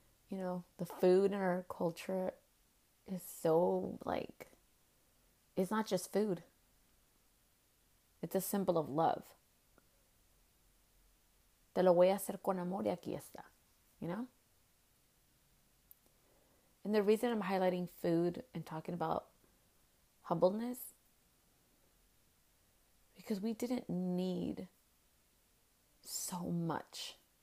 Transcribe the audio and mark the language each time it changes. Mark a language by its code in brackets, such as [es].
[en] The food in our culture is so, like, it's not just food. It's a symbol of love. [es] Te lo voy a hacer con amor y aquí está. [en] And the reason I'm highlighting food and talking about humbleness, because we didn't need so much.